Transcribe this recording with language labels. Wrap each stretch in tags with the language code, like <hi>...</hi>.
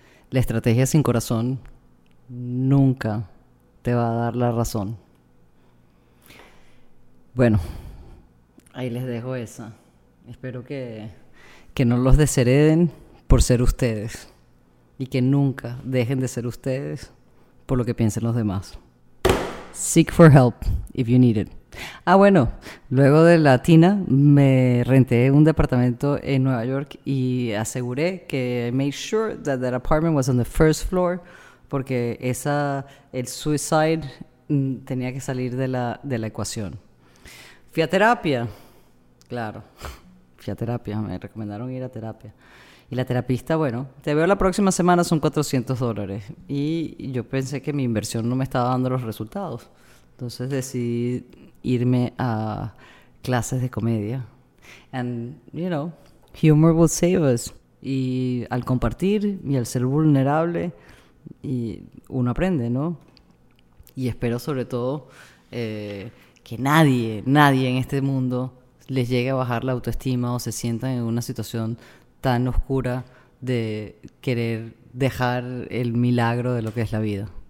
<es>La estrategia sin corazón nunca te va a dar la razón. Bueno, ahí les dejo esa. Espero que no los deshereden por ser ustedes y que nunca dejen de ser ustedes por lo que piensen los demás.</es> <en>Seek for help if you need it.</en> <es>Ah, bueno, luego de la tina me renté un departamento en Nueva York y aseguré que</es> <en>I made sure that that apartment was on the first floor</en> <es>porque el suicide tenía que salir de la ecuación. Fui a terapia, claro, fui a terapia, me recomendaron ir a terapia. Y la terapista, bueno, te veo la próxima semana, son $400. Y yo pensé que mi inversión no me estaba dando los resultados. Entonces decidí irme a clases de comedia.</es> <en>And, you know, humor will save us.</en> <es>Y al compartir y al ser vulnerable, y uno aprende, ¿no? Y espero sobre todo que nadie, nadie en este mundo les llegue a bajar la autoestima o se sientan en una situación tan oscura de querer dejar el milagro de lo que es la vida.</es>